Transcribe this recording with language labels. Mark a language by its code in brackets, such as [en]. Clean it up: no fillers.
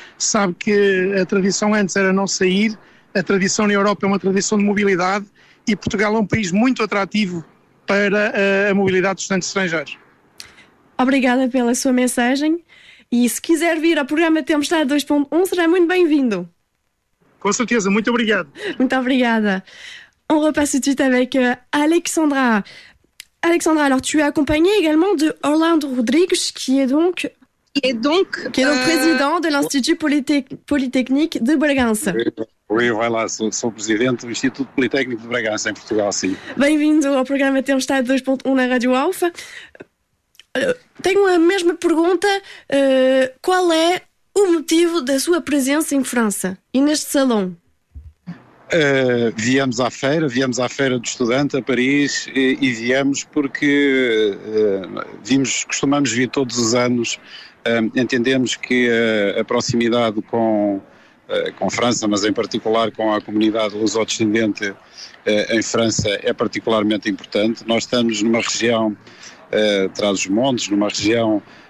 [pt] Sabe que a tradição antes era não sair, a tradição na Europa é uma tradição de mobilidade e Portugal é um país muito atrativo para a mobilidade dos estudantes estrangeiros. Obrigada pela sua mensagem e se quiser vir ao programa Tempestade 2.1 será muito bem-vindo. Com certeza, muito obrigado. Muito obrigada. [fr] On repasse tout de suite avec Alexandra. Alexandra, alors tu es accompagnée également de Orlando Rodrigues, qui est donc président de l'Institut Polytechnique de Bragança. Oui, voilà, sou président du Institut Polytechnique de Bragança en Portugal, sim. [pt] Bem-vindo ao programa Tempestade 2.1 na Rádio Alfa. Tenho a mesma pergunta, qual é o motivo da sua presença em França e neste salão? Viemos à feira de estudante a Paris e viemos porque costumamos vir todos os anos, entendemos que a proximidade com França, mas em particular com a comunidade lusodescendente em França é particularmente importante. Nós estamos numa região, Trás-os-Montes, numa região